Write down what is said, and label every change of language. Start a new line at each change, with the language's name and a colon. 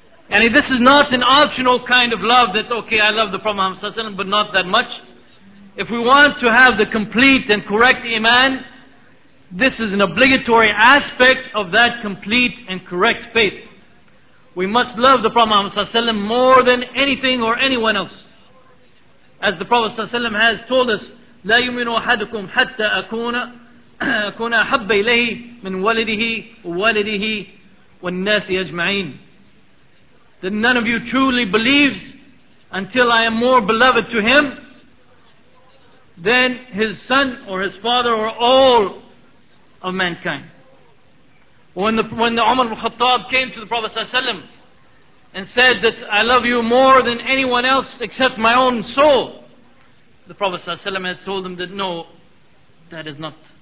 English: And this is not an optional kind of love that, okay, I love the Prophet Muhammad sallallahu alaihi wasallam, but not that much. If we want to have the complete and correct iman, this is an obligatory aspect of that complete and correct faith. We must love the Prophet Muhammad sallallahu alaihi wasallam more than anything or anyone else. As the Prophet ﷺ has told us,
Arabic: لا يؤمن أحدكم حتى أكون أحب إليه من والده ووالده والناس أجمعين.
English: That none of you truly believes until I am more beloved to him than his son or his father or all of mankind. When the Umar ibn Khattab came to the Prophet ﷺ and said that I love you more than anyone else except my own soul, the Prophet ﷺ has told him that no, that is not.